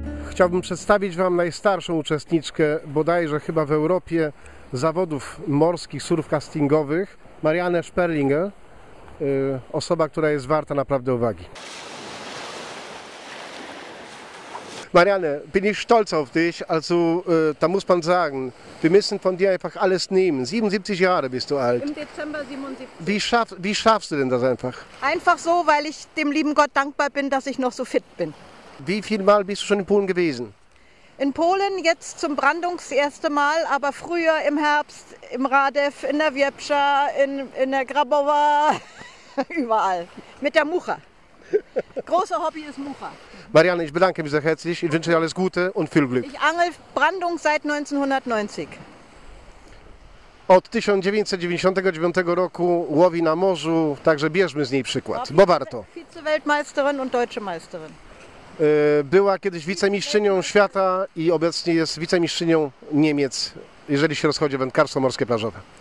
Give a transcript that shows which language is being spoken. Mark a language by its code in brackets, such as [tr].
[pl] Chciałbym przedstawić wam najstarszą uczestniczkę, bodajże chyba w Europie, zawodów morskich surfcastingowych. Marianne Sperlinger, osoba, która jest warta naprawdę uwagi. [de] Marianne, bin ich stolz auf dich, also da muss man sagen, wir müssen von dir einfach alles nehmen. 77 Jahre bist du alt. Im Dezember 77. Wie schaffst du denn das einfach? Einfach so, weil ich dem lieben Gott dankbar bin, dass ich noch so fit bin. Wie viel Mal bist du schon in Polen gewesen? In Polen jetzt zum Brandungs erste Mal, aber früher im Herbst im Radew, in der Wieprza, in der Grabowa, überall. Mit der Mucha. Großer Hobby ist Mucha. Marianne, ich bedanke mich sehr herzlich. Ich wünsche dir alles Gute und viel Glück. Ich angel Brandung seit 1990. [pl] Od 1999 roku łowi na morzu, także bierzmy z niej przykład, bo warto. [de] Vize-Weltmeisterin und deutsche Meisterin. [pl] była kiedyś wicemistrzynią świata i obecnie jest wicemistrzynią Niemiec, jeżeli się rozchodzi o wędkarstwo morskie plażowe.